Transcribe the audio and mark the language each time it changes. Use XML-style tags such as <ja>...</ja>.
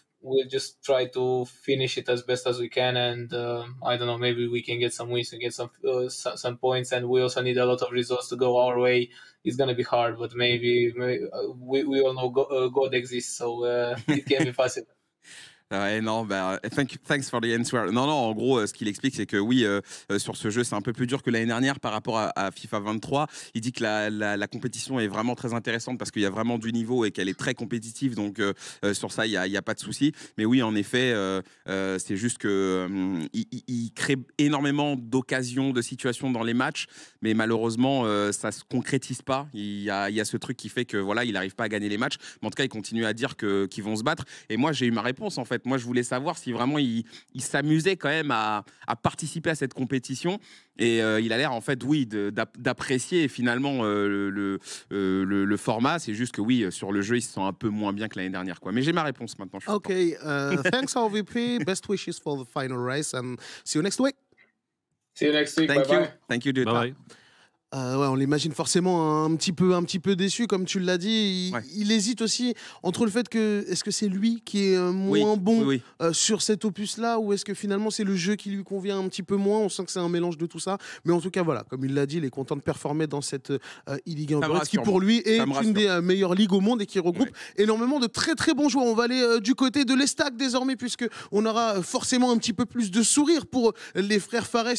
<en>we'll just try to finish it as best as we can, and I don't know, maybe we can get some wins and get some points, and we also need a lot of results to go our way. It's going to be hard, but maybe we all know God exists, so it can be possible. Thanks for the answer.</en> <fr>Non, en gros, ce qu'il explique, c'est que oui, sur ce jeu, c'est un peu plus dur que l'année dernière par rapport à FIFA 23. Il dit que la compétition est vraiment très intéressante parce qu'il y a vraiment du niveau et qu'elle est très compétitive. Donc, sur ça, il y a pas de souci. Mais oui, en effet, c'est juste qu'il crée énormément d'occasions, de situations dans les matchs. Mais malheureusement, ça se concrétise pas. Il y a ce truc qui fait que voilà, il n'arrive pas à gagner les matchs. Mais en tout cas, il continue à dire qu'ils vont se battre. Et moi, j'ai eu ma réponse. En fait, moi, je voulais savoir si vraiment il s'amusait quand même à participer à cette compétition. Et il a l'air, en fait, oui, d'apprécier finalement le format. C'est juste que oui, sur le jeu, il se sent un peu moins bien que l'année dernière, quoi. Mais j'ai ma réponse maintenant.</fr> <en>Ok, thanks RVP. Best wishes for the final race and see you next week. See you next week. Thank bye you. Bye. Thank you, dude. Bye. Bye.</en> <fr>Ouais, on l'imagine forcément un petit peu déçu, comme tu l'as dit. Il hésite aussi entre le fait que est-ce que c'est lui qui est moins sur cet opus-là, ou est-ce que finalement c'est le jeu qui lui convient un petit peu moins. On sent que c'est un mélange de tout ça. Mais en tout cas, voilà, comme il l'a dit, il est content de performer dans cette E-League Android, qui pour lui est une des meilleures ligues au monde et qui regroupe énormément de très très bons joueurs. On va aller du côté de l'Estac désormais, puisque on aura forcément un petit peu plus de sourire pour les frères Fares.</fr>